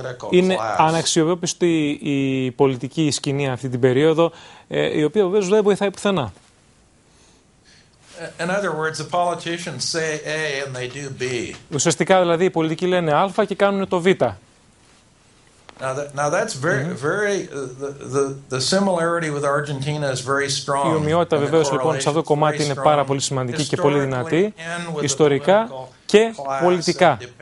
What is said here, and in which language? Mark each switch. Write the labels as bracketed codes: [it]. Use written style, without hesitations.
[el] Είναι αναξιοπιστή η πολιτική σκηνή αυτή την περίοδο, η οποία βεβαίως δεν βοηθάει πουθενά. [en] In other words, the politicians say A and they do B. [el] Ουσιαστικά δηλαδή οι πολιτικοί λένε Α και κάνουν το Β. [en] Now that's very, mm-hmm. very the similarity with Argentina is very strong. [el] Η ομοιότητα βεβαίως λοιπόν σε αυτό το κομμάτι είναι πάρα πολύ σημαντική και πολύ δυνατή ιστορικά και πολιτικά.